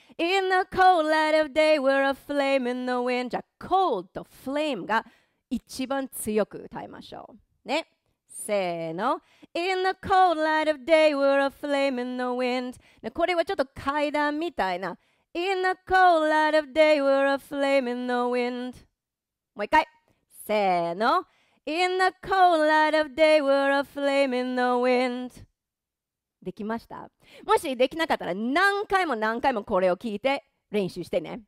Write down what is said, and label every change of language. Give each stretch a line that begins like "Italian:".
English: In the cold light of day, we're a flame in the wind.
Japanese: じゃあ、cold と flame が一番強く歌いましょう。ね。せーの。
English: In the cold light of day, we're a flame in the wind.
Japanese: これはちょっと階段みたいな。
English: In the cold light of day, we're a flame in the wind.
Japanese: もう一回。せーの。
English: In the cold light of day, we're a flame in the wind.
Japanese: できました。もしできなかったら何回も何回もこれを聞いて練習してね。